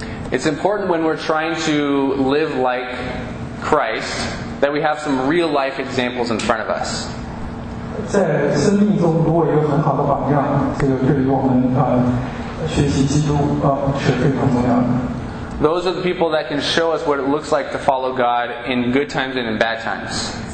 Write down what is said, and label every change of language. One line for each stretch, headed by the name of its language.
English: It's important when we're trying to live like Christ that we have some real life examples in front of us.
Chinese: 在生命中如果有很好的榜样，这个对于我们学习基督是非常重要的。
English: Those are the people that can show us what it looks like to follow God in good times and in bad times.